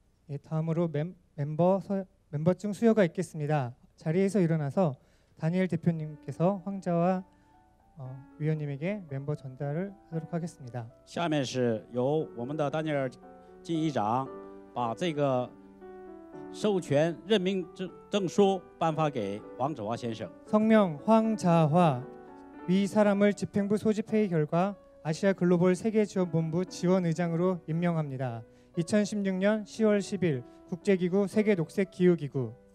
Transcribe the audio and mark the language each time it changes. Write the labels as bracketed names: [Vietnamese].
[Korean] 예, 다음으로 멤버 중 수여가 있겠습니다. 자리에서 일어나서 다니엘 대표님께서 황자와 위원님에게 멤버 전달을 하도록 하겠습니다. [Chinese] 下面是由我们的丹尼尔进议长把这个授权任命证书颁发给黄子华先生。 [Korean] 성명 황자화 위 사람을 집행부 소집 회의 결과 아시아 글로벌 세계 지원 본부 지원 의장으로 임명합니다. 2016년 10월 10일 국제기구 세계 녹색 기후 기구.